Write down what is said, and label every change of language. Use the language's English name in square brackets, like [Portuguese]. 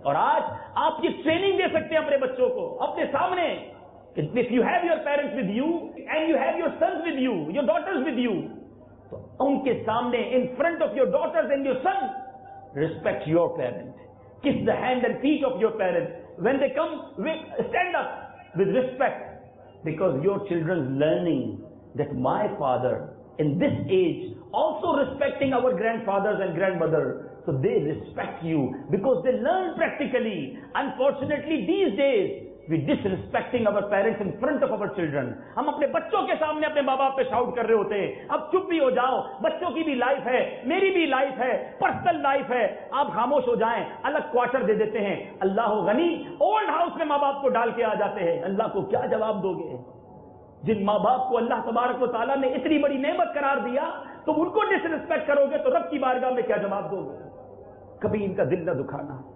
[Urdu] اور آج آپ یہ ٹریننگ دے سکتے ہیں اپنے بچوں کو اپنے سامنے, [English] کہ if you have your parents with you and you have your sons with you, your daughters with you, [Urdu] تو ان کے سامنے [English] In front of your daughters and your son, respect your parent, kiss the hand and feet of your parent when they come, stand up with respect, because your children learning that my father in this age also respecting our grandfathers and grandmother. So they respect you because they learn practically. Unfortunately, these days, we disrespecting our parents in front of our children. [Urdu] ہم اپنے بچوں کے سامنے اپنے ماں باپ پہ شاؤٹ کر رہے ہوتے ہیں, اب چپ بھی ہو جاؤ, بچوں کی بھی لائف ہے, میری بھی لائف ہے, پرسنل لائف ہے, آپ خاموش ہو جائیں, الگ کوارٹر دے دیتے ہیں. اللہ غنی, اولڈ ہاؤس میں ماں باپ کو ڈال کے آ جاتے ہیں, اللہ کو کیا جواب دو گے؟ جن ماں باپ کو اللہ تبارک و تعالیٰ نے اتنی بڑی نعمت قرار دیا, تم ان کو ڈسریسپیکٹ کرو گے تو رب کی بارگاہ میں کیا جواب دو گے؟ کبھی ان کا دل نہ دکھانا.